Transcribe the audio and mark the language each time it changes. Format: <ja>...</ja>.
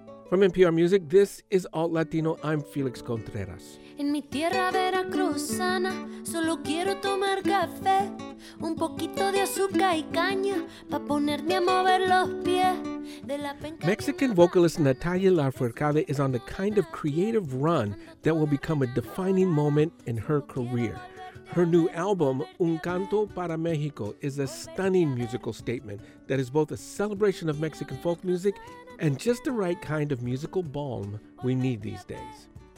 <en>From NPR Music, this is Alt Latino. I'm Felix Contreras.</en> <es>En mi tierra veracruzana, solo quiero tomar café. Un poquito de azúcar y caña, pa' ponerme a mover los pies.</es> <en>Mexican vocalist Natalia Lafourcade is on the kind of creative run that will become a defining moment in her career. Her new album, Un Canto para México, is a stunning musical statement that is both a celebration of Mexican folk music and just the right kind of musical balm we need these days.</en>